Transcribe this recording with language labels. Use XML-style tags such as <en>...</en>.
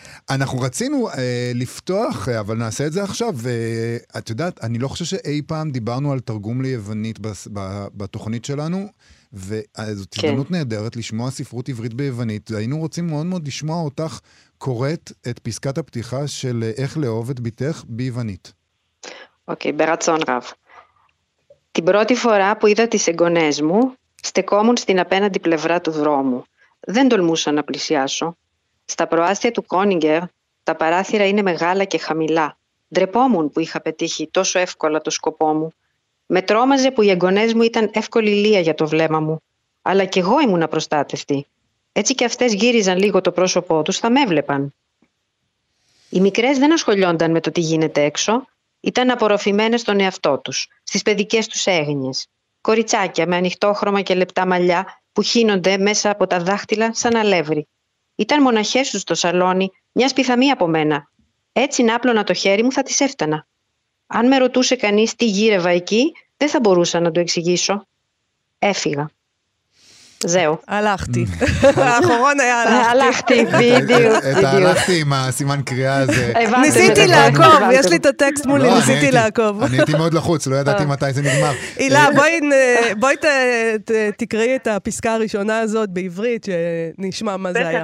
<he>אנחנו רצינו לפתוח, אבל נעשה את זה עכשיו, ואת יודעת, אני לא חושב שאי פעם דיברנו על תרגום ליוונית בתוכנית שלנו, וזאת הזדמנות נהדרת לשמוע ספרות עברית ביוונית. היינו רוצים מאוד מאוד לשמוע אותך קוראת את פסקת הפתיחה של איך לאהוב את ביתך ביוונית. אוקיי, ברצון רב.</he> <el>Την πρώτη φορά που είδα τις εγγονές μου, στεκόμουν στην απέναντι πλευρά του δρόμου. Δεν τολμούσα να πλησιάσω. Στα προάστια του Κόνιγκερ, τα παράθυρα είναι μεγάλα και χαμηλά. Ντρεπόμουν που είχα πετύχει τόσο εύκολα το σκοπό μου. Με τρόμαζε που οι εγγονές μου ήταν εύκολη λία για το βλέμμα μου. Αλλά κι εγώ ήμουν απροστάτευτη. Έτσι κι αυτές γύριζαν λίγο το πρόσωπό τους, θα με έβλεπαν. Οι μικρές δεν ασχολιόνταν με το τι γίνεται έξω. Ήταν απορροφημένες στον εαυτό τους, στις παιδικές τους έγνοιες. Κοριτσάκια με ανοιχτόχρωμα και λεπτά μαλλιά που χύνονται μέσα από τα δάχτυλα σαν αλεύρι. Ήταν μοναχές τους στο σαλόνι, μια σπιθαμή από μένα. Έτσι να άπλωνα το χέρι μου θα τις έφτανα. Αν με ρωτούσε κανείς τι γύρευα εκεί, δεν θα μπορούσα να το εξηγήσω. Έφυγα.</el> <he>זהו. הלכתי. האחרון היה הלכתי. הלכתי, בדיוק. את הלכתי עם הסימן קריאה הזה. ניסיתי לעקוב, יש לי את הטקסט מולי, ניסיתי לעקוב. אני הייתי מאוד לחוץ, לא ידעתי מתי זה נגמר. אילה, בואי תקראי את הפסקה הראשונה הזאת בעברית, שנשמע מה זה היה.</he>